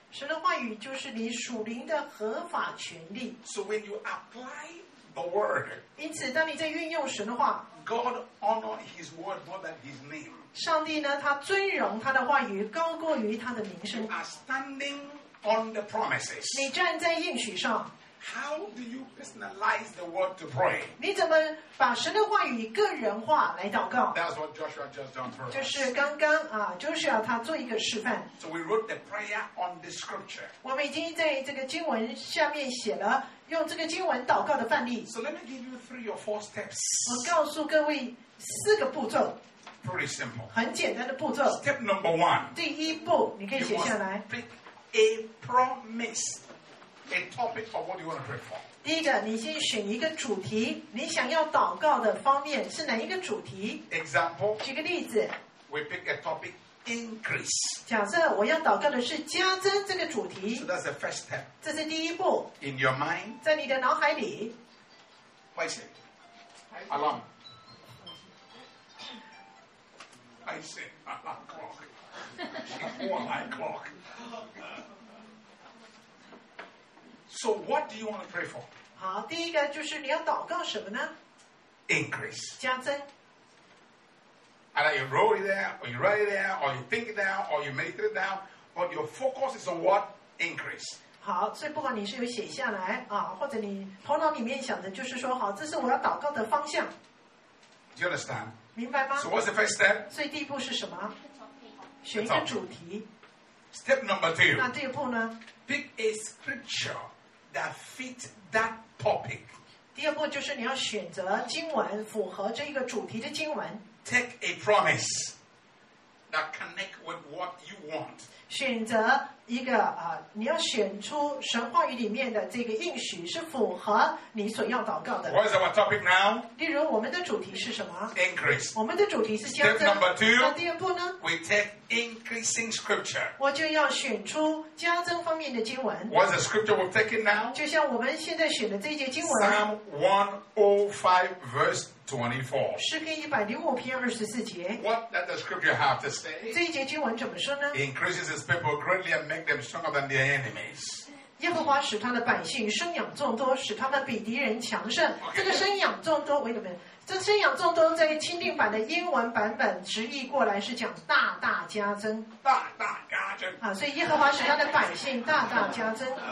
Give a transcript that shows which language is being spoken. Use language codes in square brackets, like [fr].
[zh] 神的话语就是你属灵的合法权利。 [en] So when you apply the word， [zh] 因此当你在运用神的话 [en] ，God honor His word more than His name。 [zh] 上帝呢他尊荣他的话语高过于他的名声。 [en] You are standing on the promises. [zh] 你站在应许上。 [en] How do you personalize the word to pray? [zh] 你怎么把神的话语个人化来祷告？ [en] That's what Joshua just done for us. [zh] 就是刚刚啊 Joshua 他做一个示范。 [en] So we wrote the prayer on the scripture. [zh] 我们已经在这个经文下面写了用这个经文祷告的范例。 [en] So let me give you 3 or 4 steps. [zh] 我告诉各位4个步骤。 [en] Pretty simple. [zh] 很简单的步骤。 [en] Step number one. [zh] 第一步，你可以写下来。 [en] Pick a promise, a topic of what you want to pray for. [zh] 第一个，你先选一个主题，你想要祷告的方面是哪一个主题 [en] ？Example. [zh] 举个例子。 [en] We pick a topic increase. [zh] 假设我要祷告的是加增这个主题。 [en] So that's the first step. [zh] 这是第一步。 [en] In your mind. [zh] 在你的脑海里。 [en] What is it? Alarm. I said, I'm clock. She's more like clock. So what do you want to pray for? [zh] 好，第一个就是你要祷告什么呢？ [en] Increase. [zh] 加增。 [en] Either you wrote it there, or you write it there, or you think it down, or you make it down, but your focus is on what? Increase. [zh] 好，所以不管你是有写下来啊，或者你头脑里面想的就是说，好，这是我要祷告的方向。 [en] Do you understand? [zh] 明白吗？ [en] So what's the first step? [zh] 所以第一步是什么？选一个主题。 [en] Step number two. [zh] 那第二步呢？ [en] Pick a scripture that fits that topic. [zh] 第二步就是你要选择经文符合这一个主题的经文。 [en] Take a promise that connects with what you want. [zh] 选择一个你要选出神话语里面的这个应许是符合你所要祷告的。 [en] What is our topic now? [zh] 例如我们的主题是什么？ [en] Increase. [zh] 我们的主题是加增。 [en] Step number two. [zh] 那第二步呢？ [en] We take increasing scripture. [zh] 我就要选出加增方面的经文。 [en] What is the scripture we're taking now? [zh] 就像我们现在选的这一节经文。 [en] Psalm 105:24. [zh] 诗篇105:24. [en] What does the scripture have to say? [zh] 这一节经文怎么说呢？ [en] Increases his people greatly and make them stronger than their enemies. [zh] 耶和华使他的百姓生养众多，使他们比敌人强盛。 [en] Okay. [zh] 这个生养众多 ， [en] wait a minute， [zh] 这生养众多在钦定版的英文版本直译过来是讲大大加增，大大加增啊！所以耶和华使他的百姓大大加增。